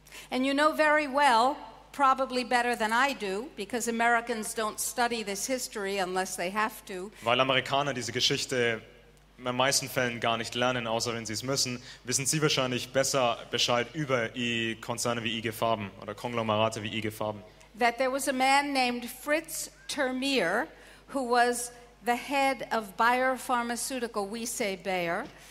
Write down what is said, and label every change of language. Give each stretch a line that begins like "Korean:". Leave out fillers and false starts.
English: And you know very well, probably better than I do, because Americans don't study this history unless they have to.
German: Weil Amerikaner diese Geschichte in den meisten Fällen gar nicht lernen, außer wenn sie es müssen, wissen Sie wahrscheinlich besser Bescheid über Konzerne wie IG Farben oder Konglomerate wie IG Farben.
English: That there was a man named Fritz Termeer, who was the head of Bayer Pharmaceutical, we say Bayer.